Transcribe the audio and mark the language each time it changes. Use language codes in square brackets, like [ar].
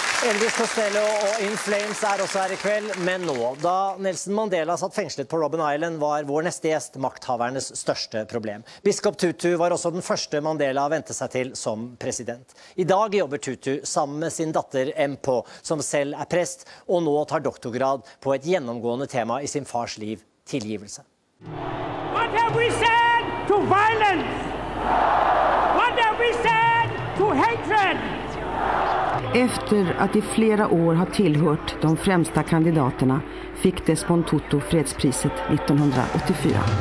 [sv] Elvis Costello och In Flames är också här ikväll, men nu då Nelson Mandela satt fängslad på Robben Island var vår nästa gäst makthavarnas största problem. Biskop Tutu var också den första Mandela väntade sig till som president. Idag jobbar Tutu samman med sin dotter Mpo som själv är präst och nu tar doktorgrad på ett genomgående tema i sin fars liv, tillgivelse. [en] What have we said to violence? What have we said to hatred? [sv] Efter att i flera år ha tillhört de främsta kandidaterna fick Desmond Tutu fredspriset 1984.